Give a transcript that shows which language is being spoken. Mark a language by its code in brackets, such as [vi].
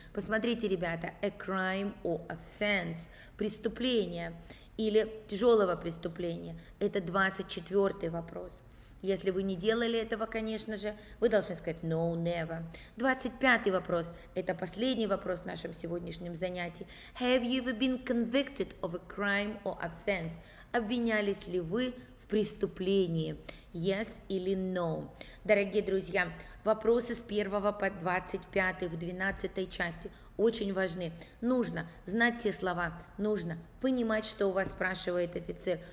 [ru] Посмотрите, ребята, [en] a crime or offense, [ru] преступление, или тяжелого преступления. Это 24-й вопрос. Если вы не делали этого, конечно же, вы должны сказать [en] no, never. [ru] 25-й вопрос. Это последний вопрос в нашем сегодняшнем занятии. [en] Have you ever been convicted of a crime or offense? [ru] Обвинялись ли вы в преступлении? [en] Yes или no? [ru] Дорогие друзья, вопросы с 1 по 25 в 12 части очень важны. Нужно знать все слова, нужно понимать, что у вас спрашивает офицер.